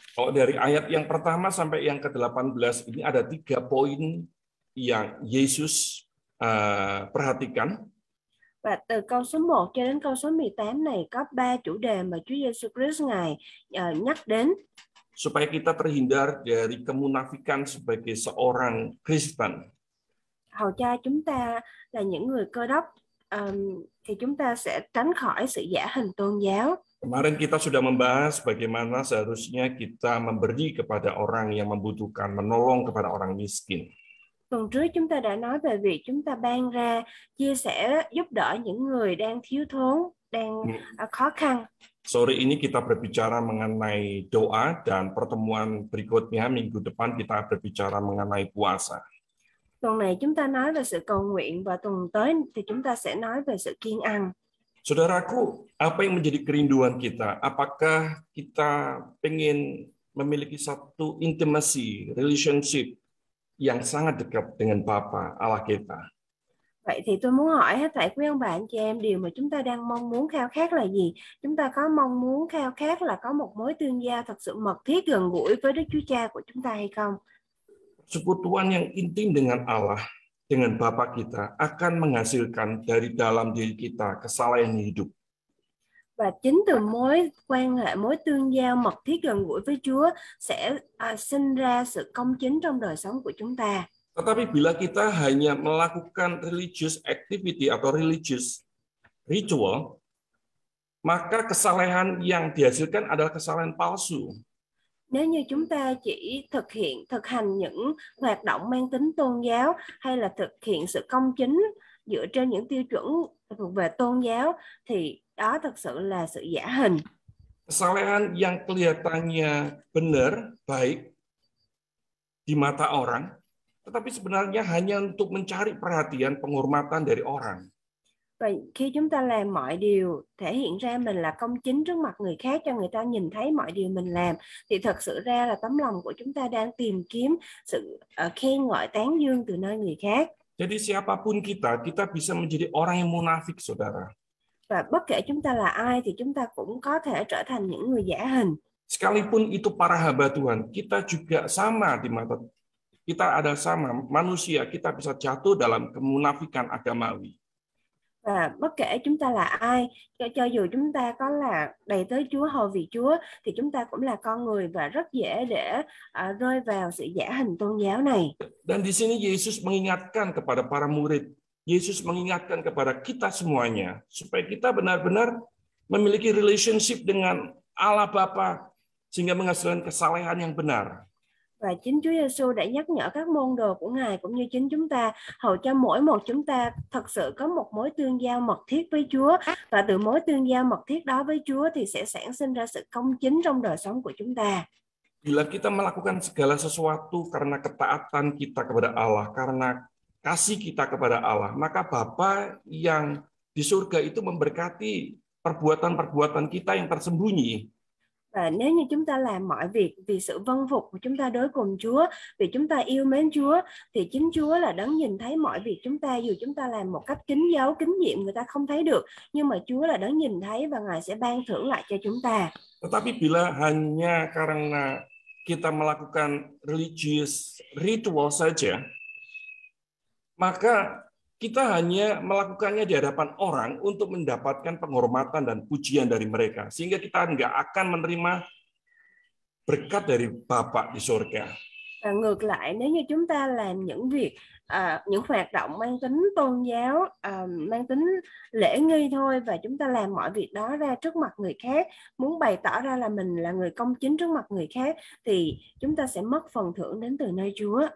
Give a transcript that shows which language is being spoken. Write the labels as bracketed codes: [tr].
[id] Oh, dari ayat yang pertama sampai yang ke-18 ini ada 3 poin yang Yesus perhatikan. [vi] Và từ câu số 1 cho đến câu số 18 này có 3 chủ đề mà Chúa Giêsu Christ Ngài nhắc đến. [id] Supaya kita terhindar dari kemunafikan sebagai seorang Kristen. [vi] Hầu cho chúng ta là những người cơ đốc thì chúng ta sẽ tránh khỏi sự giả hình tôn giáo. [id] Kemarin kita sudah membahas bagaimana seharusnya kita memberi kepada orang yang membutuhkan, menolong kepada orang miskin. [vi] Tuần trước chúng ta đã nói về việc chúng ta ban ra, chia sẻ, giúp đỡ những người đang thiếu thốn, đang khó khăn. [id] Sore ini kita berbicara mengenai doa dan pertemuan berikutnya minggu depan kita berbicara mengenai puasa. [vi] Tuần này chúng ta nói về sự cầu nguyện và tuần tới thì chúng ta sẽ nói về sự kiêng ăn. [id] Saudaraku, apa yang menjadi kerinduan kita? Apakah kita ingin memiliki satu intimasi, relationship yang sangat dekat dengan Bapa Allah kita? [vi] Vậy thì tôi muốn hỏi hết thảy quý ông bà anh chị em, điều mà chúng ta đang mong muốn khao khát là gì? Chúng ta có mong muốn khao khát là có một mối tương giao thật sự mật thiết gần gũi với Đức Chúa Cha của chúng ta hay không? [id] Sekutuan yang intim dengan Allah, dengan Bapa kita, akan menghasilkan dari dalam diri kita kesalahan hidup. [vi] Và chính từ mối quan hệ, mối tương giao mật thiết gần gũi với Chúa sẽ sinh ra sự công chính trong đời sống của chúng ta. [id] Tetapi bila kita hanya melakukan [en] religious activity [id] atau [en] religious ritual, [id] maka kesalehan yang dihasilkan adalah kesalehan palsu. [vi] Nếu như chúng ta chỉ thực hành những hoạt động mang tính tôn giáo hay là thực hiện sự công chính dựa trên những tiêu chuẩn thuộc về tôn giáo thì đó thực sự là sự giả hình. [id] Kesalehan yang kelihatannya benar, baik di mata orang, tetapi sebenarnya hanya untuk mencari perhatian, penghormatan dari orang. [vi] Vậy khi chúng ta làm mọi điều thể hiện ra mình là công chính trước mặt người khác, cho người ta nhìn thấy mọi điều mình làm, thì thật sự ra là tấm lòng của chúng ta đang tìm kiếm sự khen ngợi tán dương từ nơi người khác. [id] Jadi siapapun kita, kita bisa menjadi orang yang munafik, saudara. [vi] Và bất kể chúng ta là ai thì chúng ta cũng có thể trở thành những người giả hình. [id] Sekalipun itu para hamba Tuhan, kita juga sama di mata kita ada sama manusia, kita bisa jatuh dalam kemunafikan agamawi. [vi] Và bất kể chúng ta là ai, cho dù chúng ta có là đầy tớ Chúa, hầu vị Chúa, thì chúng ta cũng là con người và rất dễ để rơi vào sự giả hình tôn giáo này. [id] Dan di sini Yesus mengingatkan kepada para murid, Yesus mengingatkan kepada kita semuanya supaya kita benar-benar memiliki relationship dengan Allah Bapa sehingga menghasilkan kesalehan yang benar. [vi] Và chính Chúa Giêsu đã nhắc nhở các môn đồ của Ngài cũng như chính chúng ta hầu cho mỗi một chúng ta thật sự có một mối tương giao mật thiết với Chúa, và từ mối tương giao mật thiết đó với Chúa thì sẽ sản sinh ra sự công chính trong đời sống của chúng ta. [id] Bila kita melakukan segala sesuatu karena ketaatan kita kepada Allah, karena kasih kita kepada Allah, maka Bapa yang di surga itu memberkati perbuatan-perbuatan kita yang tersembunyi. [vi] Và nếu như chúng ta làm mọi việc vì sự vâng phục của chúng ta đối cùng Chúa, vì chúng ta yêu mến Chúa, thì chính Chúa là đấng nhìn thấy mọi việc chúng ta, dù chúng ta làm một cách kín giấu, kín nhiệm, người ta không thấy được, nhưng mà Chúa là đấng nhìn thấy và Ngài sẽ ban thưởng lại cho chúng ta. [id] Tetapi bila hanya karena kita melakukan [en] religious ritual [id] saja, maka kita hanya melakukannya di hadapan orang untuk mendapatkan penghormatan dan pujian dari mereka, sehingga kita enggak akan menerima berkat dari Bapa di surga. [vi] Và ngược lại, nếu như chúng ta làm những việc, những hoạt động mang tính tôn giáo, mang tính lễ nghi thôi, và chúng ta làm mọi việc đó ra trước mặt người khác, muốn bày tỏ ra là mình là người công chính trước mặt người khác, thì chúng ta sẽ mất phần thưởng đến từ nơi Chúa.